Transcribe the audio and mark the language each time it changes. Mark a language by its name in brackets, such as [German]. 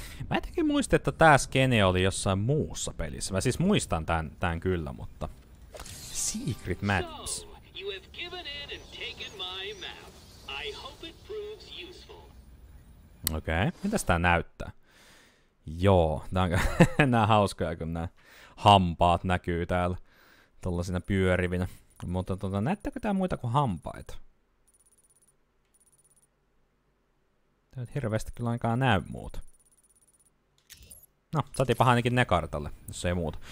[Finnish] Mä etenkin muista, että tää skene oli jossain muussa pelissä. Mä siis muistan tän kyllä, mutta... [English] Secret Maps. So, you have given in and taken my map. I hope it proves useful. [Finnish] Okei, okay. Mitäs tää näyttää? Joo, nää on hauskoja, kun nää hampaat näkyy täällä tollasina pyörivinä. Mutta näyttääkö tää muita kuin hampaita? Tää nyt hirveästi kyllä ainakaan näy muuta. No, saatiinpa ainakin ne kartalle, jos ei muuta.